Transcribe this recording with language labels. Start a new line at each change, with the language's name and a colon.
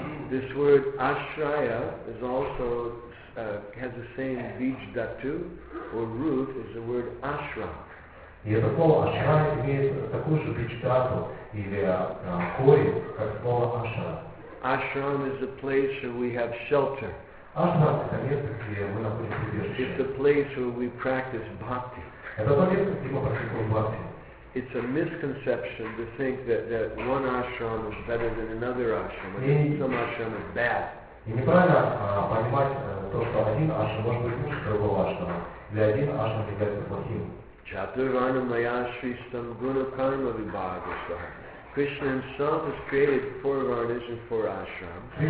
English: This word ashraya is also has the same bij datu or root as the word ashra.
Russian: И это слово ашрая имеет такую же причитату или корень, как слово ашра.
English: Ашрам is a place where we have shelter.
Russian: Ашрам это место, где мы находимся убежище.
English: It's a place where we practice bhakti.
Russian: Это то место, где мы практикуем бхакти.
English: It's a misconception to think that one ashram is better than another ashram. Some ashram is bad.
Russian: И неправильно понимать то, что один ашрам может быть лучше другого ашрама. Или один ашрам является плохим.
Sanskrit: Chaturvana maya shristam guna karma vibhagasa.
English: Krishna himself has created four varnas and four ashrams.